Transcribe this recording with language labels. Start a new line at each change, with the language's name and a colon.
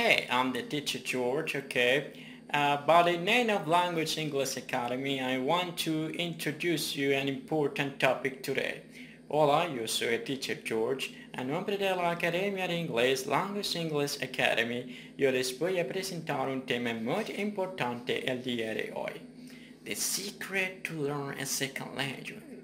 English: I'm the teacher George, okay? By the name of Languz English Academy, I want to introduce you an important topic today.
Spanish: Hola, yo soy el teacher George. A nombre de la Academia de Inglés, Languz English Academy, yo les voy a presentar un tema muy importante el día de hoy.
English: The secret to learn a second language.